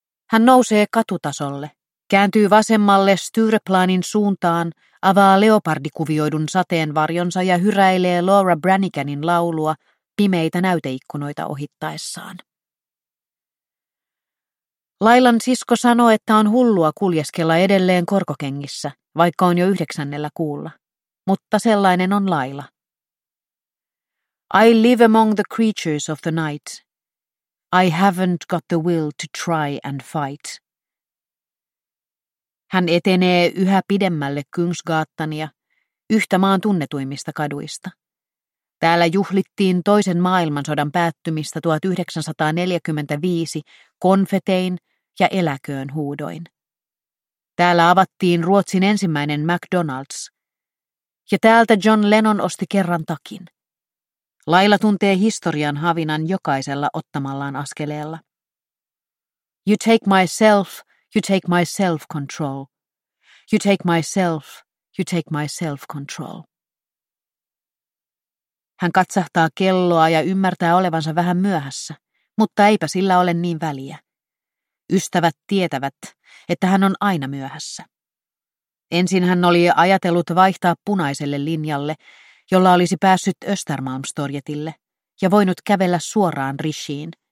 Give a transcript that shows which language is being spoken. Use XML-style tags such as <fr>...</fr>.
<fi>Hän nousee katutasolle, kääntyy vasemmalle Stureplanin suuntaan, avaa leopardikuvioidun sateenvarjonsa ja hyräilee Laura Branniganin laulua pimeitä näyteikkunoita ohittaessaan. Lailan sisko sanoi, että on hullua kuljeskella edelleen korkokengissä, vaikka on jo 9. kuulla. Mutta sellainen on Laila.</fi> <en>I live among the creatures of the night. I haven't got the will to try and fight.</en> <fi>Hän etenee yhä pidemmälle Kungsgatania, yhtä maan tunnetuimmista kaduista. Täällä juhlittiin toisen maailmansodan päättymistä 1945 konfetein ja eläköön huudoin. Täällä avattiin Ruotsin ensimmäinen McDonald's. Ja täältä John Lennon osti kerran takin. Laila tuntee historian havinan jokaisella ottamallaan askeleella.</fi> <en>You take myself, you take my self-control. You take myself, you take my self-control.</en> <fi>Hän katsahtaa kelloa ja ymmärtää olevansa vähän myöhässä, mutta eipä sillä ole niin väliä. Ystävät tietävät, että hän on aina myöhässä. Ensin hän oli ajatellut vaihtaa punaiselle linjalle, jolla olisi päässyt Östermalmstorgetille ja voinut kävellä suoraan Rishiin.</fi>